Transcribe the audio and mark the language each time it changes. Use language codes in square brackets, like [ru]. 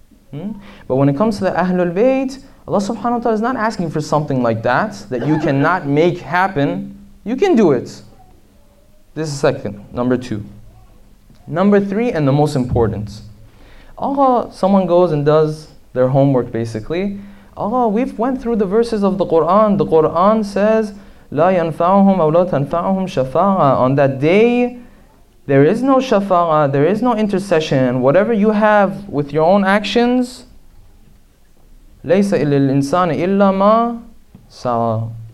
[en] But when it comes to the Ahlul Bayt, Allah subhanahu wa ta'ala is not asking for something like that, that you cannot make happen. You can do it. This is second, number two. Number three, and the most important. Allah, someone goes and does their homework basically. Allah, we've went through the verses of the Qur'an. The Qur'an says, [ar] لا ينفعهم أو لا تنفعهم شفاعة. [en] On that day, there is no shafa'ah, there is no intercession. Whatever you have with your own actions, [ar] لَيْسَ إِلَّا الْإِنسَانِ إِلَّا مَا سَعَى.